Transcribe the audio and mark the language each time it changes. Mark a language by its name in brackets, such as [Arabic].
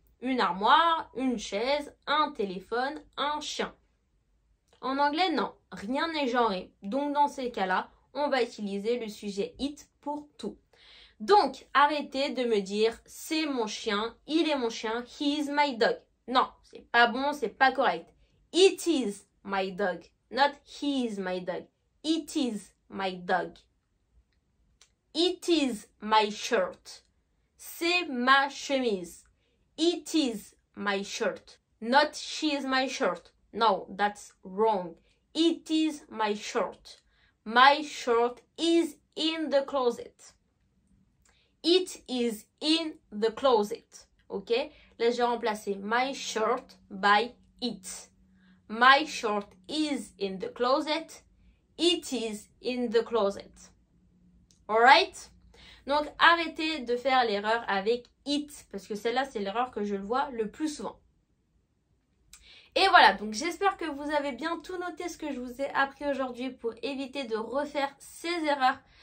[French] Une armoire, une chaise, un téléphone, un chien. En anglais, non, rien n'est genré. Donc dans ces cas-là, on va utiliser le sujet it pour tout. Donc, arrêtez de me dire c'est mon chien, il est mon chien, [English] he is my dog. [French] Non, c'est pas bon, c'est pas correct. [English] It is my dog, not he is my dog. It is my dog. It is my shirt. [French] C'est ma chemise. [English] It is my shirt, not she is my shirt. No, that's wrong. It is my shirt. My shirt is in the closet. It is in the closet. Ok? [French] Là, j'ai remplacé [English] my shirt by it. My shirt is in the closet. It is in the closet. Alright? [French] Donc, arrêtez de faire l'erreur avec it. Parce que celle-là, c'est l'erreur que je vois le plus souvent. Et voilà, donc j'espère que vous avez bien tout noté ce que je vous ai appris aujourd'hui pour éviter de refaire ces erreurs.